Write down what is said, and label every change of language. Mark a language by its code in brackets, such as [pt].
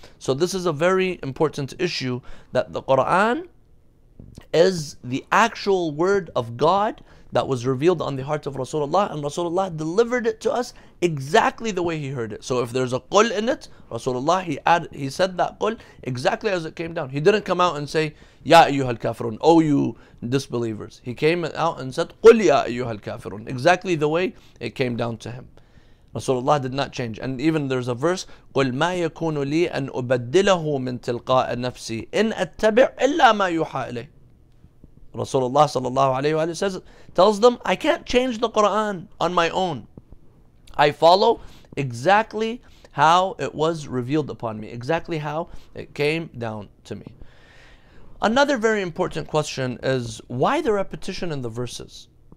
[en] So this is a very important issue, that the Quran is the actual word of God that was revealed on the heart of Rasulullah, and Rasulullah delivered it to us exactly the way he heard it. So if there's a qul in it, Rasulullah, he said that qul exactly as it came down. He didn't come out and say, [ar] Ya ayyuhal kafirun, [en] O you disbelievers. He came out and said, [ar] Qul ya ayyuhal kafirun, [en] exactly the way it came down to him. Rasulullah did not change. And even there's a verse, [ar] قُلْ مَا يَكُونُ لِي أَنْ أُبَدِّلَهُ مِنْ تِلْقَاءَ نَفْسِي إِنْ أَتَّبِعْ إِلَّا مَا يُحَى إِلَيْهِ. [en] Rasulullah sallallahu alayhi wa sallam tells them, I can't change the Quran on my own. I follow exactly how it was revealed upon me, exactly how it came down to me. Another very important question is, why the repetition in the verses?